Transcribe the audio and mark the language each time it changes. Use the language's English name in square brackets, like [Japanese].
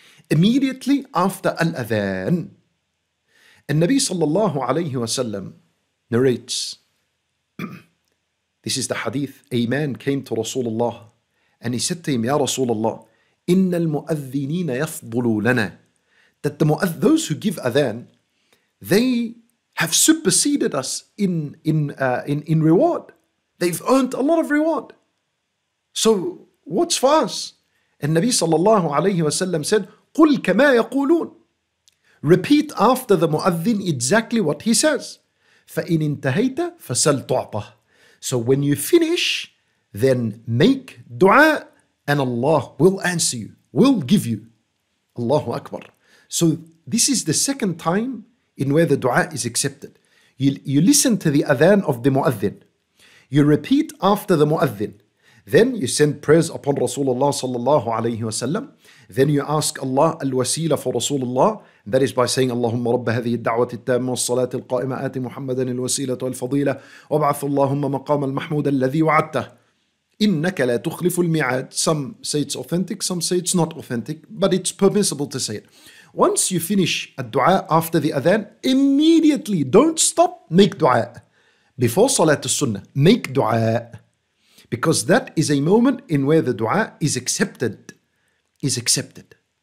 [English] Immediately after [Arabic] الأذان, النبي صلى الله عليه وسلم [English] narrates, this is the hadith, a man came to Rasulullah and he said to him, [Arabic] Ya Rasulullah, إن المؤذنين يفضلوا لنا. [English] That those who give adhan, they have superseded us in reward. They've earned a lot of reward. So what's for us? And [Arabic] النبي صلى الله عليه وسلم said, قل كما يقولون. [English] Repeat after the muadhin exactly what he says. [Arabic] فَإِنْ انْتَهَيْتَ فَسَلْ تُعْطَهُ. [English] So when you finish, then make dua and Allah will answer you, will give you. Allahu Akbar. So this is the second time in where the dua is accepted. You listen to the adhan of the muadhin. You repeat after the muadhin. Then you send prayers upon Rasulullah sallallahu alayhi wa sallam. Then you ask Allah al-wasila for Rasulullah. That is by saying, [Arabic] اللهم رب هذه الدعوة التامة والصلاة القائمة آت محمدا الوسيلة والفضيلة وابعث اللهم مقام المحمود الذي وعدته إنك لا تخلف الميعاد. [English] Some say it's authentic, some say it's not authentic, but it's permissible to say it. Once you finish الدعاء after the adhan, immediately, don't stop, make dua. before Salat al-Sunnah, make dua. Because that is a moment in where the dua is accepted. Is accepted.